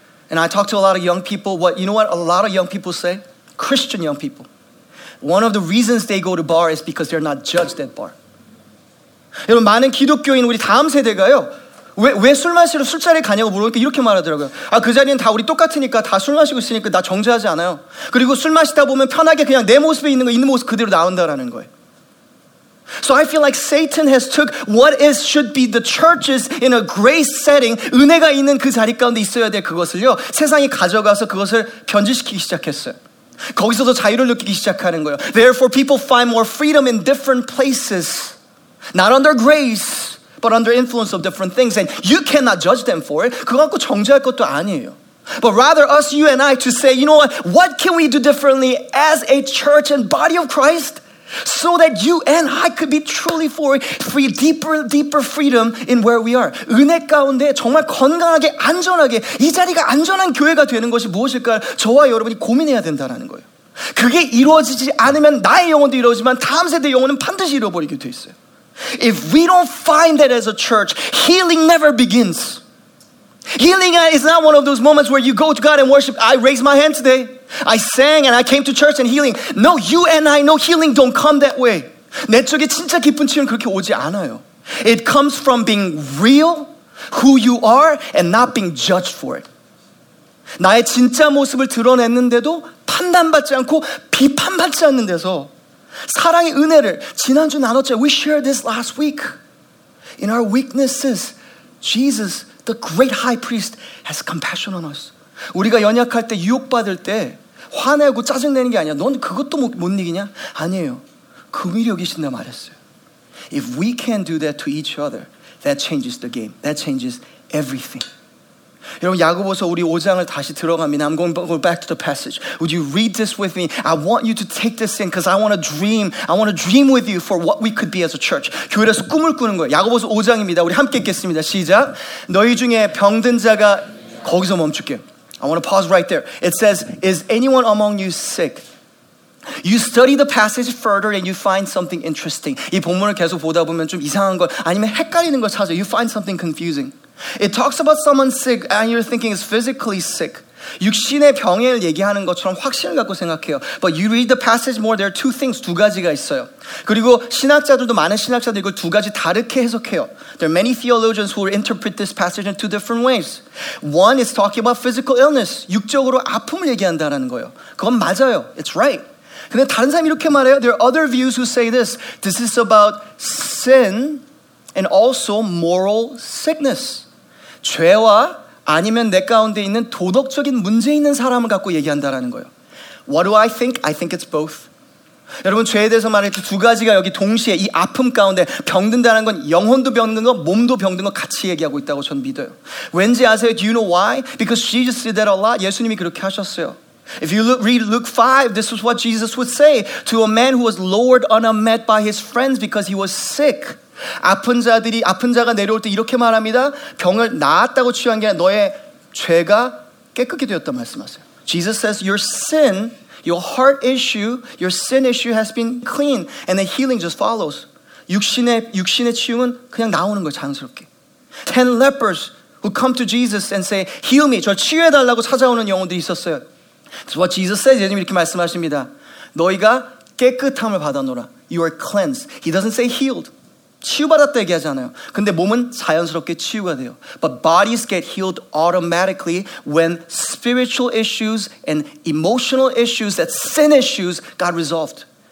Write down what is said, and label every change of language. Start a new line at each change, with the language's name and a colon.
English: And I talk to a lot of young people. What, you know what a lot of young people say? Christian young people. One of the reasons they go to bar is because they're not judged at bar.
Korean: 여러분, 많은 기독교인 우리 다음 세대가요. 왜 술 마시러 술자리에 가냐고 물어보니까 이렇게 말하더라고요. 아, 그 자리는 다 우리 똑같으니까 다 술 마시고 있으니까 나 정죄하지 않아요. 그리고 술 마시다 보면 편하게 그냥 내 모습에 있는 거 있는 모습 그대로 나온다라는 거예요.
English: So I feel like Satan has took what is should be the churches in a grace setting,
Korean: 은혜가 있는 그 자리 가운데 있어야 될 그것을요. 세상이 가져가서 그것을 변질시키기 시작했어요. 거기서도 자유를 느끼기 시작하는 거예요.
English: Therefore people find more freedom in different places. Not under grace, but under influence of different things. And you cannot judge them for it.
Korean: 그거 갖고 정죄할 것도 아니에요.
English: But rather us, you and I, to say, you know what? What can we do differently as a church and body of Christ? So that you and I could be truly free, deeper freedom in where we are.
Korean: 은혜 가운데 정말 건강하게, 안전하게, 이 자리가 안전한 교회가 되는 것이 무엇일까? 저와 여러분이 고민해야 된다는 거예요. 그게 이루어지지 않으면 나의 영혼도 이루어지지만 다음 세대 영혼은 반드시 이루어버리게 돼 있어요.
English: If we don't find that as a church, healing never begins. Healing is not one of those moments where you go to God and worship. I raised my hand today. I sang and I came to church and healing. No, you and I know healing don't come that way.
Korean: 내 쪽에 진짜 깊은 치유는 그렇게 오지 않아요.
English: It comes from being real, who you are, and not being judged for it.
Korean: 나의 진짜 모습을 드러냈는데도 판단받지 않고 비판받지 않는 데서 사랑의 은혜를 지난주 나눴죠.
English: We shared this last week. In our weaknesses, Jesus, the great high priest, has compassion on us.
Korean: 우리가 연약할 때 유혹받을 때 화내고 짜증내는 게 아니야. 넌 그것도 못 이기냐? 아니에요. 긍휼이 여기신다 말했어요.
English: If we can do that to each other, that changes the game. That changes everything.
Korean: 여러분 야고보서 우리 5장을 다시 들어갑니다.
English: I'm going back to the passage. Would you read this with me? I want you to take this in because I want to dream. I want to dream with you for what we could be as a church.
Korean: 교회에서 꿈을 꾸는 거예요. 야고보서 5장입니다. 우리 함께 읽겠습니다. 시작. 너희 중에 병든 자가 거기서 멈출게요.
English: I want to pause right there. It says, is anyone among you sick? You study the passage further and you find something interesting.
Korean: 이 본문을 계속 보다 보면 좀 이상한 걸 아니면 헷갈리는 걸 찾아요.
English: You find something confusing. It talks about someone sick and you're thinking it's physically sick.
Korean: 육신의 병을 얘기하는 것처럼 확신을 갖고 생각해요.
English: But you read the passage more, there are two things,
Korean: 두 가지가 있어요. 그리고 신학자들도 많은 신학자들이 이걸 두 가지 다르게 해석해요.
English: There are many theologians who will interpret this passage in two different ways. One is talking about physical illness.
Korean: 육적으로 아픔을 얘기한다라는 거예요. 그건 맞아요.
English: It's right.
Korean: 근데 다른 사람이 이렇게 말해요.
English: There are other views who say this. This is about sin and also moral sickness.
Korean: 죄와 아니면 내 가운데 있는 도덕적인 문제 있는 사람을 갖고 얘기한다라는 거예요.
English: What do I think? I think it's both.
Korean: 여러분 죄에 대해서 말할 때 두 가지가 여기 동시에 이 아픔 가운데 병든다는 건 영혼도 병든 거, 몸도 병든 거 같이 얘기하고 있다고 저는 믿어요. 왠지 아세요?
English: Do you know why? Because Jesus did that a lot.
Korean: 예수님이 그렇게 하셨어요.
English: If you read Luke 5, this is what Jesus would say to a man who was lowered on a mat by his friends because he was sick.
Korean: 아픈 자가 내려올 때 이렇게 말합니다. 병을 나았다고 치유한 게 아니라 너의 죄가 깨끗이 되었다 말씀하세요.
English: Jesus says your sin, your heart issue, your sin issue has been clean, and the healing just follows.
Korean: 육신의 치유는 그냥 나오는 거예요, 자연스럽게.
English: 10 lepers who come to Jesus and say, heal me,
Korean: 저 치유해달라고 찾아오는 영혼들이 있었어요.
English: So what Jesus says,
Korean: 예수님 이렇게 말씀하십니다. 너희가 깨끗함을 받아노라.
English: You are cleansed. He doesn't say healed.
Korean: 치유받았다 얘기하잖아요. 근데 몸은 자연스럽게 치유가 돼요.
English: But bodies get healed automatically when spiritual issues and emotional issues, that sin issues, got resolved.